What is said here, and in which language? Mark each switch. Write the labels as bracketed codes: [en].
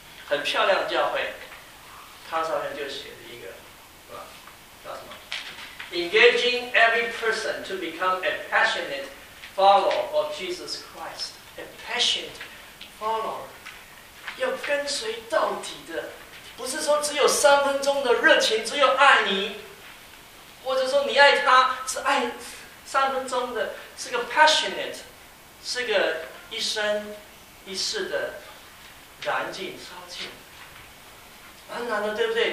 [zh] 很漂亮的教会，它上面就写了一个，是吧？叫什么？ [en] Engaging every person to become a passionate follower of Jesus Christ. A passionate follower. [zh] 要跟随到底的，不是说只有三分钟的热情，只有爱你，或者说你爱他是爱三分钟的，是个 passionate， 是个一生一世的燃尽烧尽。蛮难的，对不对？